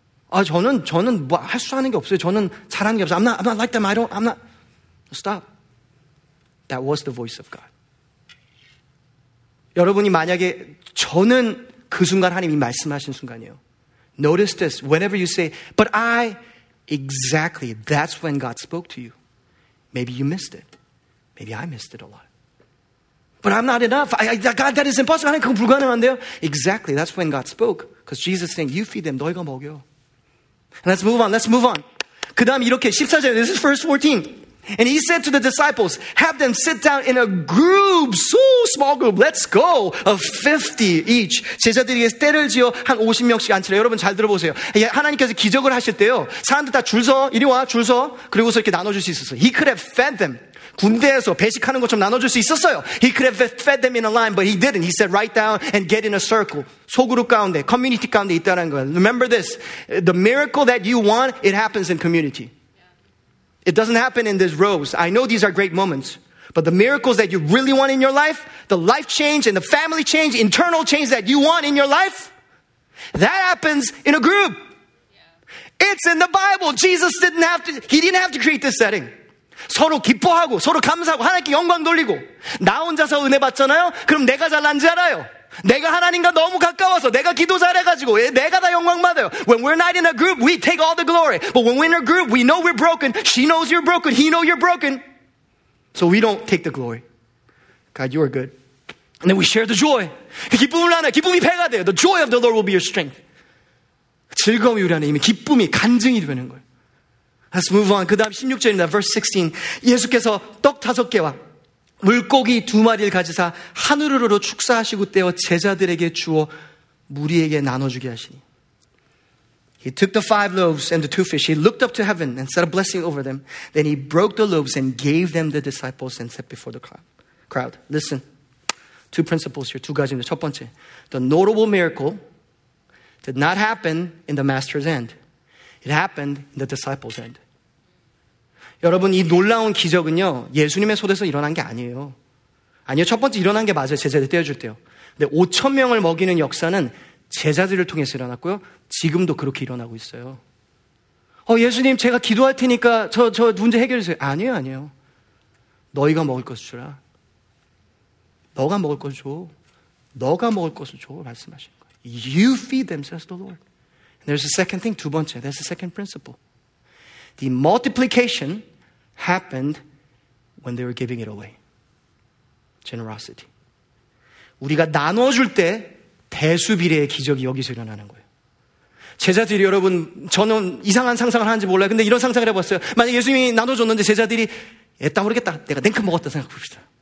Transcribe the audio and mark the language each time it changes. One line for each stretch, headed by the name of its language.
Korean: 아, 저는 뭐 할 수 하는 게 없어요. 저는 잘하는 게 없어요.
English: I'm not like them. I'm not. Stop. That was the voice of God.
Korean: 여러분이 만약에 저는 그 순간 하나님이 말씀하신 순간이에요.
English: Notice this. Whenever you say, but I, exactly, that's when God spoke to you. Maybe you missed it. Maybe I missed it a lot. But I'm not enough. God, that is impossible.
Korean: 하나님 그건 불가능한데요.
English: Exactly, that's when God spoke. Because Jesus is saying, you feed them,
Korean: 너희가 먹여.
English: And let's move on.
Korean: 그 다음 이렇게 14절,
English: this is verse 14. And he said to the disciples, have them sit down in a group, so small group, let's go, of 50 each.
Korean: 제자들에게 때를 지어 한 50명씩 앉히라. 여러분 잘 들어보세요. 하나님께서 기적을 하실 때요. 사람들 다 줄 서, 이리 와, 줄 서. 그리고서 이렇게 나눠줄 수 있었어요.
English: He could have fed them.
Korean: 군대에서 배식하는 것처럼 나눠줄 수 있었어요.
English: He could have fed them in a line, but he didn't. He said, write down and get in a circle.
Korean: 소그룹 가운데, 커뮤니티 가운데 있다는 거예요.
English: Remember this. The miracle that you want, it happens in community. It doesn't happen in these rows. I know these are great moments. But the miracles that you really want in your life, the life change and the family change, internal change that you want in your life, that happens in a group. Yeah. It's in the Bible. Jesus didn't have to, he didn't have to create this setting.
Korean: 서로 기뻐하고, 서로 감사하고, 하나님께 영광 돌리고, 나 혼자서 은혜 받잖아요? 그럼 내가 잘난 줄 알아요. 내가 하나님과 너무 가까워서 내가 기도 잘해가지고 내가 다 영광받아요.
English: When we're not in a group, we take all the glory. But when we're in a group, we know we're broken. She knows you're broken. He knows you're broken. So we don't take the glory. God, you are good. And then we share the joy.
Korean: 기쁨을 나눠요. 기쁨이 배가 돼요.
English: The joy of the Lord will be your strength.
Korean: 즐거움이 우리 하나님의 기쁨이 간증이 되는 거예요.
English: Let's move on.
Korean: 그 다음 16절입니다.
English: Verse 16.
Korean: 예수께서 떡 다섯 개와 물고기 두 마리를 가지사 하늘으로 축사하시고 떼어 제자들에게 주어 무리에게 나눠주게 하시니
English: He took the five loaves and the two fish. He looked up to heaven and said a blessing over them. Then he broke the loaves and gave them to the disciples and set before the crowd. Listen, two principles here,
Korean: 2가지인데.
English: 첫 번째, the notable miracle did not happen in the master's end. It happened in the disciples' end.
Korean: 여러분, 이 놀라운 기적은요, 예수님의 손에서 일어난 게 아니에요. 아니요, 첫 번째 일어난 게 맞아요. 제자들 떼어줄 때요. 근데 5,000명을 먹이는 역사는 제자들을 통해서 일어났고요. 지금도 그렇게 일어나고 있어요. 예수님, 제가 기도할 테니까 저 문제 해결해 주세요. 아니에요, 아니에요. 너희가 먹을 것을 주라. 너가 먹을 것을 줘. 너가 먹을 것을 줘. 말씀하시는 거예요.
English: You feed them, says the Lord. And there's a second thing,
Korean: 두 번째.
English: That's the second principle. The multiplication happened when they were giving it away. Generosity.
Korean: 우리가 나눠줄 때 대수비례의 기적이 여기서 일어나는 거예요. 제자들이 여러분, 저는 이상한 상상을 하는지 몰라요. 근데 이런 상상을 해봤어요. 만약에 예수님이 나눠줬는데 제자들이 애따 모르겠다. 내가 냉큼 먹었다 생각해봅시다.